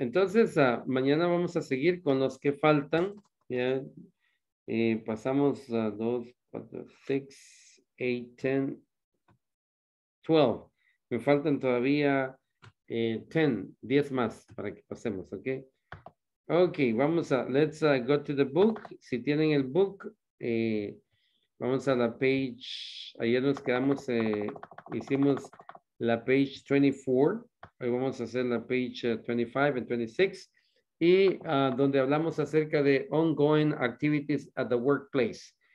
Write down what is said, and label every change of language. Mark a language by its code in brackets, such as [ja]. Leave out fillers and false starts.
[es] Entonces, mañana vamos a seguir con los que faltan. Ya pasamos a 2, 4, 6, 8, 10, 12. Me faltan todavía 10 más para que pasemos, ¿ok? [en] Okay, [es] vamos a, [en] let's go to the book. [es] Si tienen el book, vamos a la page, ayer nos quedamos, hicimos la page 24. Hoy vamos a hacer la page 25 and 26. Y donde hablamos acerca de [en] ongoing activities at the workplace.